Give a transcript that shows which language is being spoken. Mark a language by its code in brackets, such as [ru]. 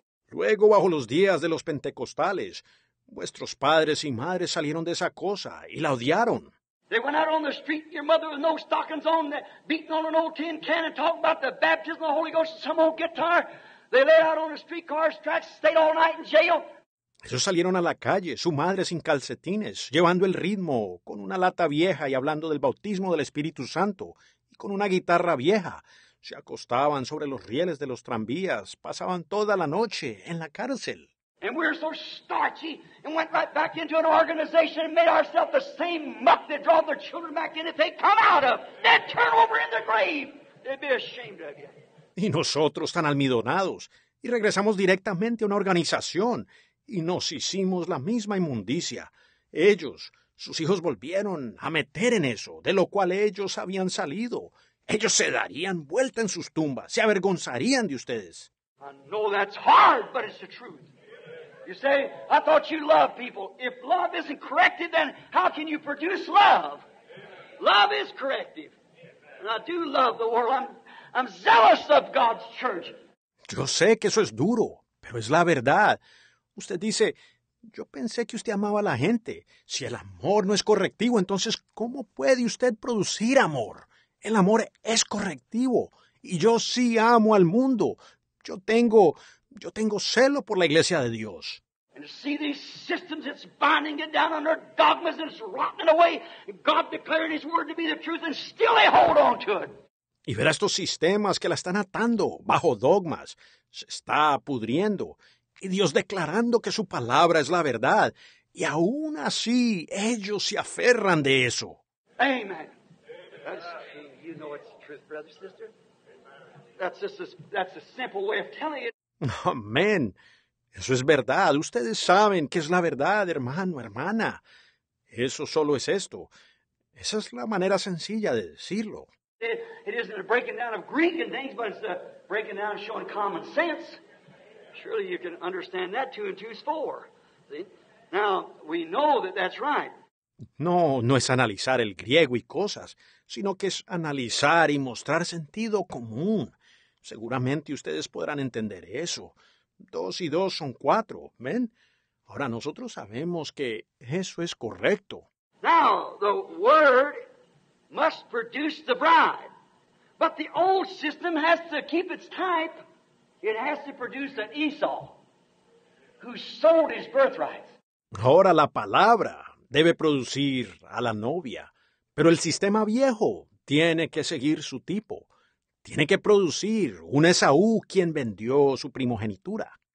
[es] Luego, bajo los días de los pentecostales, vuestros padres y madres salieron de esa cosa y la odiaron. [en] They went out on the street, your mother with no stockings on, beating on an old tin can and talking about the baptism of the Holy Ghost and some old guitar. They lay out on the streetcar tracks, stayed all night in jail. [es] Ellos salieron a la calle, su madre sin calcetines, llevando el ritmo, con una lata vieja y hablando del bautismo del Espíritu Santo, y con una guitarra vieja. Se acostaban sobre los rieles de los tranvías, pasaban toda la noche en la cárcel. [en] And we were so starchy and went right back into an organization and made ourselves the same muck that draw their children back in if they come out of. They'd turn over in the grave. They'd be ashamed of you. [es] Y nosotros tan almidonados, y regresamos directamente a una organización, y nos hicimos la misma inmundicia. Ellos, sus hijos volvieron a meter en eso, de lo cual ellos habían salido. Ellos se darían vuelta en sus tumbas, se avergonzarían de ustedes. [en] I know that's hard, but it's the truth. You say, I thought you loved people. If love isn't corrective, then how can you produce love? Love is corrective. And I do love the world. I'm zealous of God's church. [es] Yo sé que eso es duro, pero es la verdad. Usted dice, yo pensé que usted amaba a la gente. Si el amor no es correctivo, entonces, ¿cómo puede usted producir amor? El amor es correctivo. Y yo sí amo al mundo. Yo tengo celo por la iglesia de Dios. [en] And to see these systems, it's binding it down on their dogmas, and it's rotting away. God declared his word to be the truth, and still they hold on to it. [es] Y ver a estos sistemas que la están atando bajo dogmas. Se está pudriendo. Y Dios declarando que su palabra es la verdad. Y aún así, ellos se aferran de eso. [en] Amen. That's, you know it's the truth, brother, sister. That's a simple way of telling it. [es] Amén. Eso es verdad. Ustedes saben que es la verdad, hermano, hermana. Eso solo es esto. Esa es la manera sencilla de decirlo. [en] It isn't a breaking down of Greek and things, but it's a breaking down of showing common sense. Surely you can understand that 2 and 2 is 4. See? Now, we know that that's right. [es] No es analizar el griego y cosas, sino que es analizar y mostrar sentido común. Seguramente ustedes podrán entender eso. 2 y 2 son 4, ¿ven? Ahora nosotros sabemos que eso es correcto. [en] Now, the word must produce the bride. But the old system has to keep its type. It has to produce an Esau who sold his birthright. [es] Ahora la palabra debe producir a la novia. Pero el sistema viejo tiene que seguir su tipo. Tiene que producir un Esaú quien vendió su primogenitura.